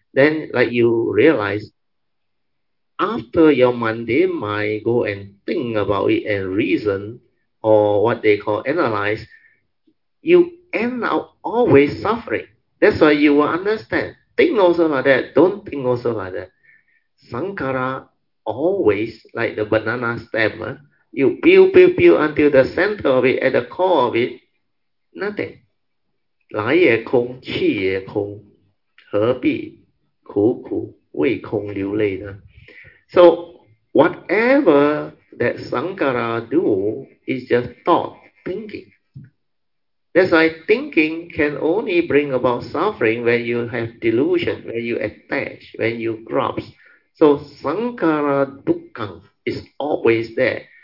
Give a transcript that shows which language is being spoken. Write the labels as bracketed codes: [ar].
[en] Then like you realize, after your mundane mind go and think about it and reason, or what they call analyze, you end up always suffering. That's why you will understand. Think also like that. Don't think also like that. Sankhara always, like the banana stem, you peel, peel, peel until the center of it, at the core of it, nothing. [zh] 来也空，去也空，何必苦苦为空流泪呢？ [en] So whatever that Sankhara do is just thought, thinking. That's why thinking can only bring about suffering when you have delusion, when you attach, when you grasp. So Sankhara Dukkhang is always there.